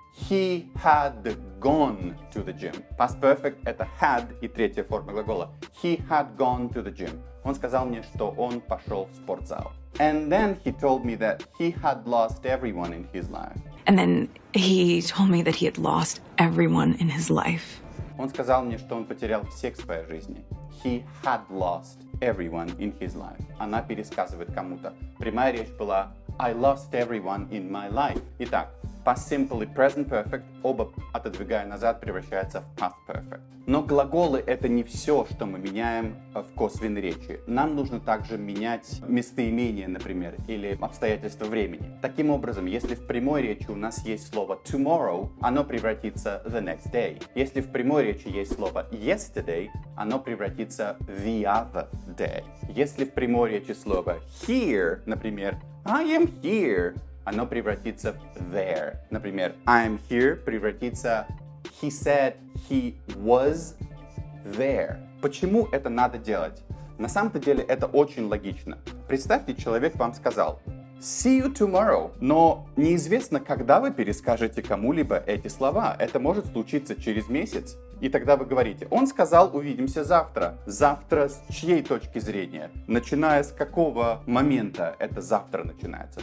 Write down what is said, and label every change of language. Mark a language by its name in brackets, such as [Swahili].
[English] He had gone to the gym. [Russian] Past perfect – это had и третья форма глагола. [English] He had gone to the gym. [Russian] Он сказал мне, что он пошел в спортзал. [English] And then he told me that he had lost everyone in his life. And then he told me that he had lost everyone in his life. [Russian] Он сказал мне, что он потерял всех в своей жизни. [English] He had lost everyone in his life. [Russian] Она пересказывает кому-то. Прямая речь была [English] I lost everyone in my life. [Russian] Итак, past simple и present perfect, оба отодвигая назад, превращаются в past perfect. Но глаголы это не все, что мы меняем в косвенной речи. Нам нужно также менять местоимение, например, или обстоятельства времени. Таким образом, если в прямой речи у нас есть слово tomorrow, оно превратится в [English] the next day. [Russian] Если в прямой речи есть слово yesterday, оно превратится в [English] the other day. [Russian] Если в прямой речи слово here, например, [English] I am here, [Russian] оно превратится в there. Например, [English] I am here превратится he said he was there. [Russian] Почему это надо делать? На самом-то деле это очень логично. Представьте, человек вам сказал [English] see you tomorrow, [Russian] но неизвестно, когда вы перескажете кому-либо эти слова. Это может случиться через месяц. И тогда вы говорите, он сказал, увидимся завтра. Завтра с чьей точки зрения? Начиная с какого момента это завтра начинается?